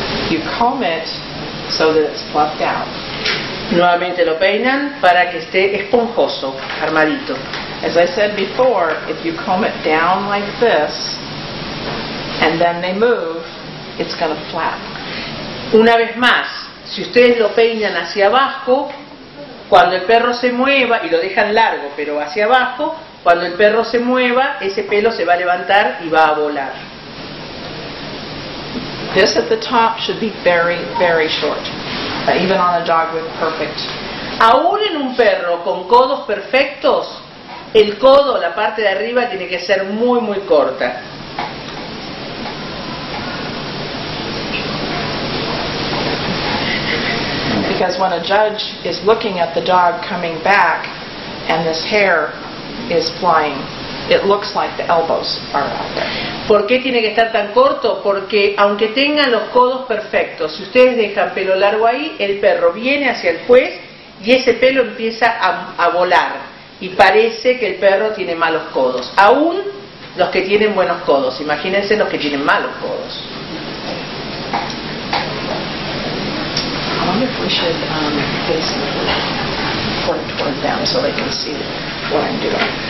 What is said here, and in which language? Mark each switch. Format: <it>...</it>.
<en>You comb it so that it's fluffed out.</en> <es>Nuevamente lo peinan para que esté esponjoso, armadito.</es> <en>As I said before, if you comb it down like this and then they move, it's going to flap.</en> <es>Una vez más, si ustedes lo peinan hacia abajo, cuando el perro se mueva y lo dejan largo, pero hacia abajo, cuando el perro se mueva, ese pelo se va a levantar y va a volar.</es> <en>This at the top should be very, very short. Even on a dog with perfect.</en> <es>Aún en un perro con codos perfectos, el codo, la parte de arriba, tiene que ser muy, muy corta.</es> <en>Because when a judge is looking at the dog coming back and this hair is flying, it looks like the elbows are out there.</en> <es>¿Por qué tiene que estar tan corto? Porque aunque tengan los codos perfectos, si ustedes dejan pelo largo ahí, el perro viene hacia el juez y ese pelo empieza a volar y parece que el perro tiene malos codos. Aún los que tienen buenos codos, imagínense los que tienen malos codos.</es> <en>I wonder if we should face him toward them so they can see what I'm doing.</en>